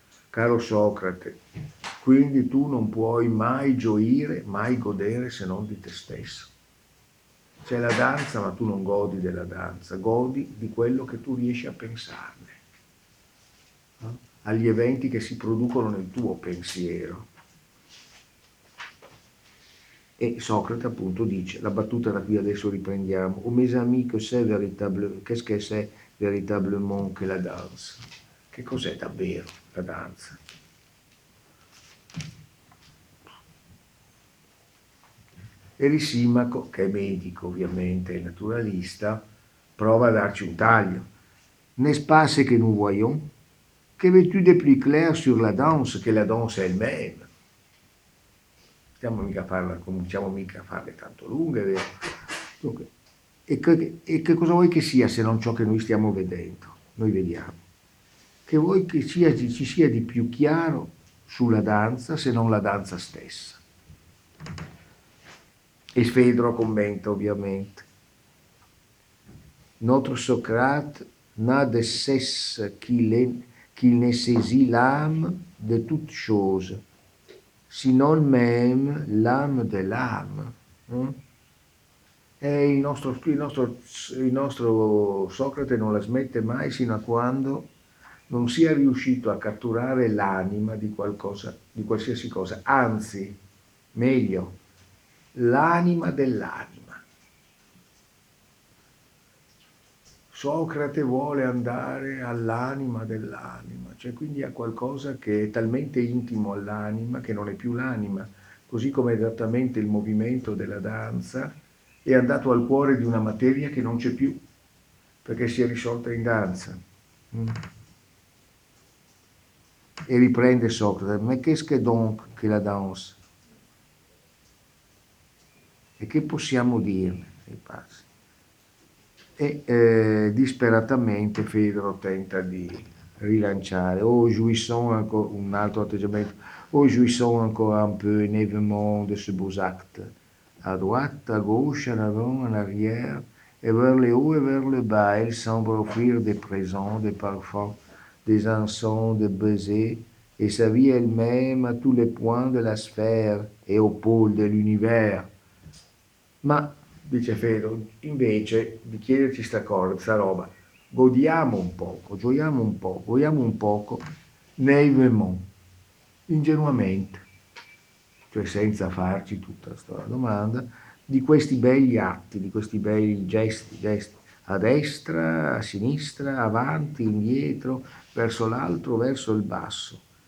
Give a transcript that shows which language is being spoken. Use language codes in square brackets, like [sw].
[it] Caro Socrate, quindi tu non puoi mai gioire, mai godere se non di te stesso. C'è la danza, ma tu non godi della danza, godi di quello che tu riesci a pensarne, agli eventi che si producono nel tuo pensiero. E Socrate appunto dice, la battuta da qui adesso riprendiamo, [fr] o mes amis, qu'est-ce que c'est véritablement que la danse? [it] Che cos'è davvero la danza? Erissimaco, che è medico ovviamente, è naturalista, prova a darci un taglio. [fr] N'est-ce pas ce que nous voyons? Que veux-tu de plus clair sur la danse que la danse elle-même? [it] Cominciamo mica a farle tanto lunghe. Dunque, e che cosa vuoi che sia se non ciò che noi stiamo vedendo? Noi vediamo. Che vuoi che sia, ci sia di più chiaro sulla danza se non la danza stessa? E Sfedro commenta ovviamente. [fr] Notre Socrate n'a de cesse qu'il ne saisit l'âme de toute chose, sinon même l'âme de l'âme. [it] E il nostro Socrate non la smette mai sino a quando non sia riuscito a catturare l'anima di qualcosa, di qualsiasi cosa, anzi, meglio, l'anima dell'anima. Socrate vuole andare all'anima dell'anima, cioè quindi a qualcosa che è talmente intimo all'anima che non è più l'anima, così come esattamente il movimento della danza è andato al cuore di una materia che non c'è più, perché si è risolta in danza. E riprende Socrate, [fr] ma qu'est-ce que donc que la danse? [it] E che possiamo dirne ai passi? E disperatamente Fedro tenta di rilanciare. [fr] Oh, jouissons encore, [it] un altro atteggiamento. [fr] Oh, jouissons encore un peu enèvement de ce beau acte. A droite, a gauche, en avant, en arrière, et vers le haut et vers le bas, elle semble offrir des présents, des parfums, des encens, des baisers, et sa vie elle-même à tous les points de la sphère et au pôle de l'univers. [it] Ma, dice Fedro, invece di chiederci sta roba, godiamo un poco, gioiamo un poco, godiamo un poco, naivement, ingenuamente, cioè senza farci tutta questa domanda, di questi belli atti, di questi belli gesti, a destra, a sinistra, avanti, indietro, verso l'alto, verso il basso.